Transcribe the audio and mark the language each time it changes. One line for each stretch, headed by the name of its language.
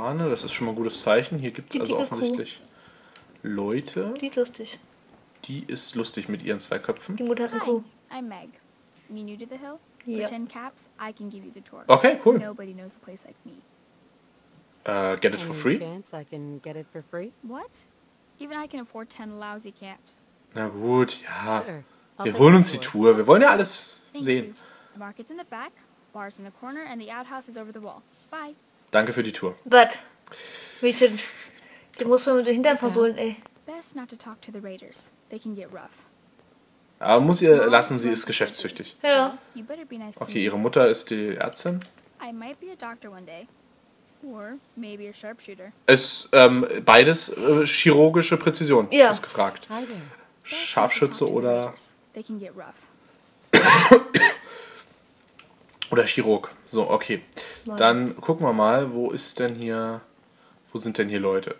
German: Das ist schon mal ein gutes Zeichen. Hier gibt es also offensichtlich. Kuh. Leute. Die ist lustig. Die ist lustig mit ihren zwei Köpfen. Die Mutter hat einen Kuh.
English: I'm Meg. Me new to the hill? Yeah. For 10 caps, I can give you the tour. Okay, cool. Nobody knows a place like me. get it for free? Any chance I can get it for free? What? Even I can afford 10 lousy camps.
German: Na gut, ja. Sure. Wir holen uns die Tour. Wir wollen ja alles sehen.
English: The market's in the back, bar's in the corner, and the outhouse is over the wall. Bye.
German: Danke für die Tour. But, wie denn? Die muss man mit den Hintern versohlen, ey.
English: Best not to talk to the raiders. They can get rough.
German: Aber muss ihr lassen, sie ist geschäftstüchtig. Ja. Okay, ihre Mutter ist die Ärztin.
English: I might be a doctor one day. Or maybe a sharpshooter.
German: Es ist beides chirurgische Präzision, ja. Ist gefragt. Scharfschütze oder...
English: They can get rough.
German: Oder Chirurg. So, okay. Dann gucken wir mal, wo ist denn hier... Wo sind denn hier Leute?